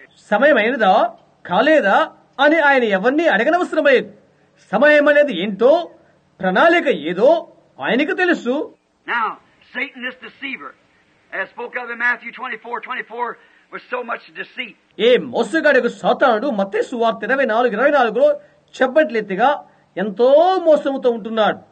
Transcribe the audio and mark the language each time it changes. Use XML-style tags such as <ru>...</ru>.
<te>సమయం అయినదా కాలేదా అని ఆయన ఎవరిని అడగనవసరం లేదు. సమయం అనేది ఏంటో, ప్రణాళిక ఏదో ఆయనకు తెలుసు.</te> <en>Now, Satan is deceiver. As spoke of in Matthew 24:24, with so much deceit.</en> <te>ఏ మోసగాడు సాతానుడు మత్తయి సువార్త 24:24లో చెప్పట్లేదుగా ఎంతో మోసముతో ఉంటున్నాడు.</te>